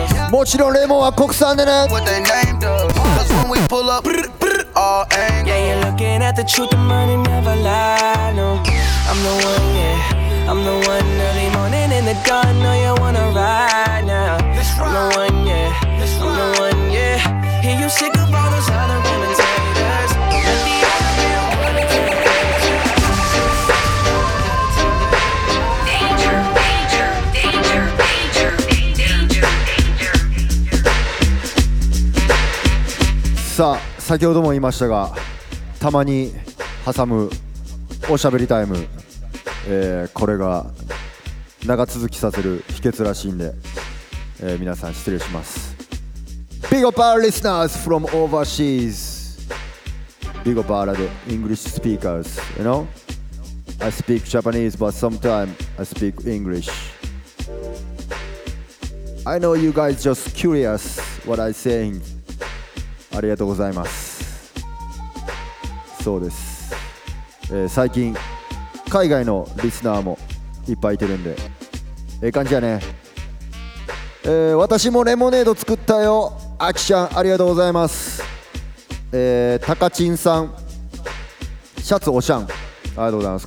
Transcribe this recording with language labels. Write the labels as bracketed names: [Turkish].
[Japanese] もちろんレモンは国産でね。 [English] Yeah, you're looking at the truth, the money never lie, no I'm the one, yeah I'm the one early morning in the dawn. Know you wanna ride now. I'm the one, yeah. I'm the one, yeah. Hear you sick of all those other women. [Japanese] さあ、先ほども言いましたが、たまに挟むおしゃべりタイム、これが長続きさせる秘訣らしいんで、皆さん失礼します。 [English] Big up our listeners from overseas. Big up our English speakers. You know, I speak Japanese but sometimes I speak English. I know you guys just curious what I saying. [Japanese] ありがとうございます。そうです、最近海外のリスナーもいっぱいいてるんで、ええ感じやね、私もレモネード作ったよ。アキちゃんありがとうございます。タカチンさん、シャツおしゃん、ありがとうございます。